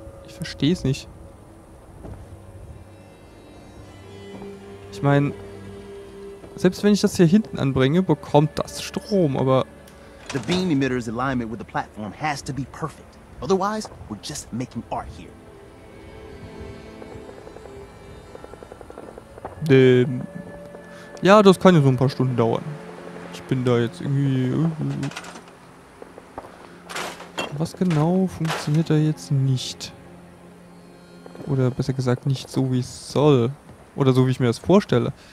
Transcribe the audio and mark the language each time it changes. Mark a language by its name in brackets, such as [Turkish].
[German] Verstehe es nicht. meine, selbst wenn ich das hier hinten anbringe, bekommt das Strom, aber... [English] The beam emitter's alignment with the platform has to be perfect. Otherwise, we're just making art here. [German] Ja, das kann ja so ein paar Stunden dauern. Ich bin da jetzt irgendwie... Was genau funktioniert da jetzt nicht? Oder besser gesagt, nicht so, wie es soll. Oder so, wie ich mir das vorstelle.